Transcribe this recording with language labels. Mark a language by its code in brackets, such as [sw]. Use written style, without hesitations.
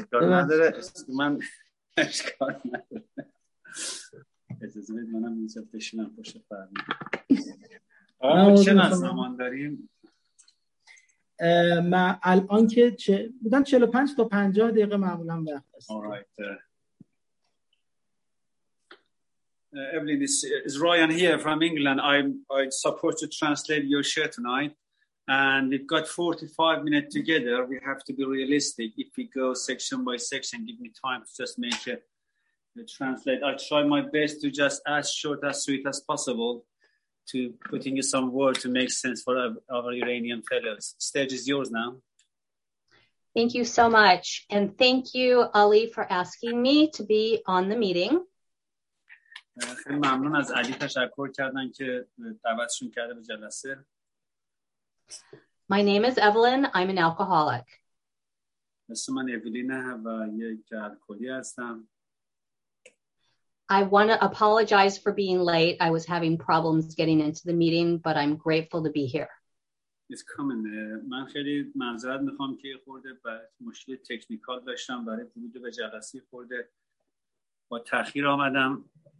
[fa] اشکال نداره، اسم من اشکال نداره. اجازه بدید منم اینجا بشینم پشت فرمان. آقا چه زمان داریم؟ ما الان که چه بودن 45 تا 50 دقیقه معمولا وقت است. [en] Alright Evelyn, this is Ryan here from England. I support to translate your share tonight. And we've got 45 minutes together. We have to be realistic. If we go section by section, give me time to just make a translate. I try my best to just as short, as sweet as possible to putting in some words to make sense for our Iranian fellows. Stage is yours now. Thank you so much. And thank you, Ali, for asking me to be on the meeting. [fa] خیلی ممنون از علی، تشکر کردن که دعوتشون کرده به جلسه. [en] My name is Evelyn. I'm an alcoholic. [fa] اسم من اولین و یک الکلی هستم. [en] I want to apologize for being late. I was having problems getting into the meeting, but I'm grateful to be here. It's coming. [fa] من خیلی معذرت میخوام که خورده به مشکل تکنیکال داشتم برای ورود به جلسه، خورده با تاخیر آمدم.